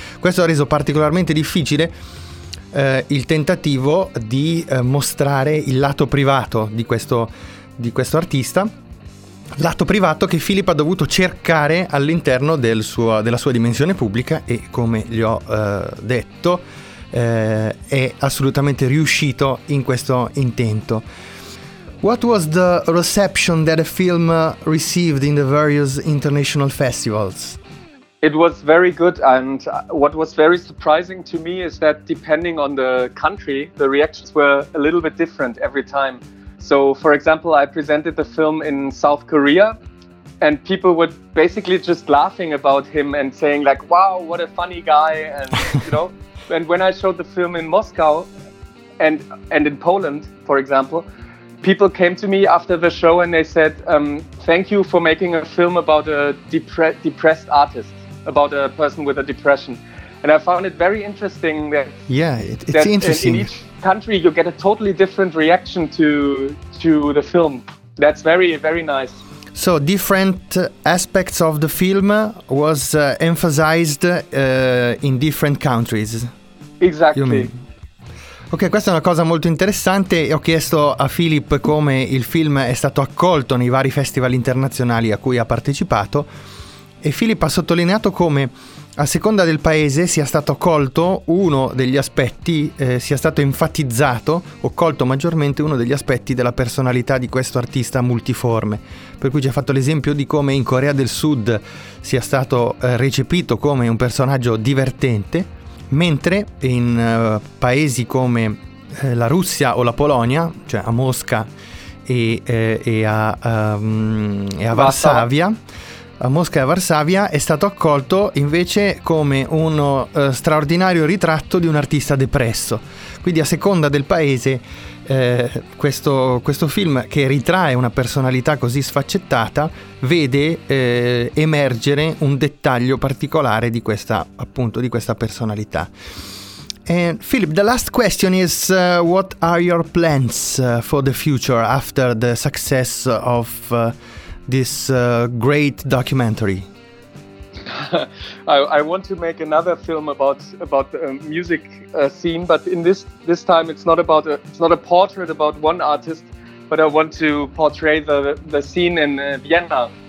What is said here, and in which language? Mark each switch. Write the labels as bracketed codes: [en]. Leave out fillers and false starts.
[it] Questo ha reso particolarmente difficile il tentativo di mostrare il lato privato di questo artista, lato privato che Philip ha dovuto cercare all'interno della sua dimensione pubblica, e come gli ho detto è assolutamente riuscito in questo intento. [en] What was the reception that a film received in the various international festivals? It was very good, and what was very surprising to me is that depending on the country, the reactions were a little bit different every time. So, for example, I presented the film in South Korea, and people were basically just laughing about him and saying, like, wow, what a funny guy, and, you know. And when I showed the film in Moscow and in Poland, for example, people came to me after the show and they said, thank you for making a film about a depressed artist, about a person with a depression. And I found it very interesting that... Yeah, it's interesting. In each country, you get a totally different reaction to the film. That's very, very nice. So different aspects of the film was emphasized in different countries. Exactly. [it] Ok, questa è una cosa molto interessante. Ho chiesto a Philip come il film è stato accolto nei vari festival internazionali a cui ha partecipato, e Philip ha sottolineato come a seconda del paese sia stato colto uno degli aspetti, sia stato enfatizzato o colto maggiormente uno degli aspetti della personalità di questo artista multiforme. Per cui ci ha fatto l'esempio di come in Corea del Sud sia stato recepito come un personaggio divertente, mentre in paesi come la Russia o la Polonia, cioè a Mosca e a Varsavia, a Mosca e a Varsavia, è stato accolto invece come uno straordinario ritratto di un artista depresso. Quindi a seconda del paese, questo film che ritrae una personalità così sfaccettata vede emergere un dettaglio particolare di questa, appunto, di questa personalità. [en] And Philip, the last question is, what are your plans for the future after the success of this great documentary? I want to make another film about the music scene, but in this time it's not about a portrait about one artist, but I want to portray the scene in Vienna.